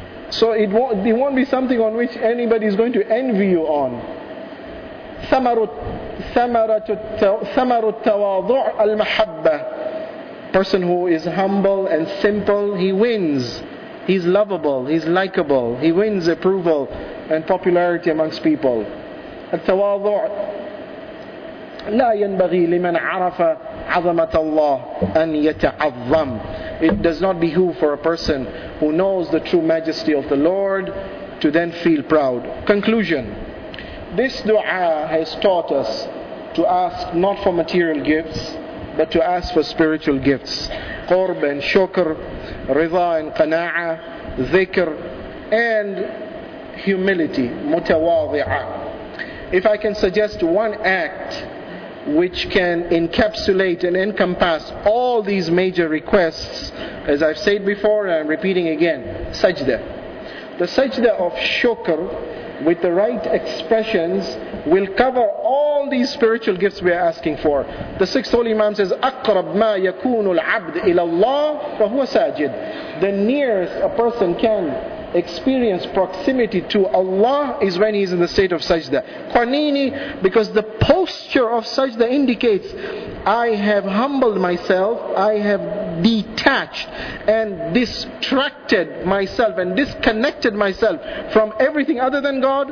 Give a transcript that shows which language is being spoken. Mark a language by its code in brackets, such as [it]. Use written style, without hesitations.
[en] So it won't be something on which anybody is going to envy you on. [ar] ثمرة التواضع المحبة. [en] Person who is humble and simple, he wins. He's lovable, he's likable, he wins approval and popularity amongst people. [ar] التواضع لا ينبغي لمن عرف عظمة الله أن يتعظم. [en] It does not behoove for a person who knows the true majesty of the Lord to then feel proud. Conclusion. This dua has taught us to ask not for material gifts, but to ask for spiritual gifts. Qurb and shukr, rida and qana'a, dhikr, and humility, mutawadhi'a. If I can suggest one act which can encapsulate and encompass all these major requests, as I've said before and I'm repeating again, sajda. The sajda of shukr, with the right expressions, will cover all these spiritual gifts we are asking for. The sixth holy Imam says, [ar] أَقْرَبْ مَا يَكُونُ الْعَبْدِ إِلَى اللَّهِ فَهُوَ سَاجِدْ. [en] The nearest a person can experience proximity to Allah is when he is in the state of sajda. Qanini, because the posture of sajda indicates, I have humbled myself, I have detached and distracted myself and disconnected myself from everything other than God.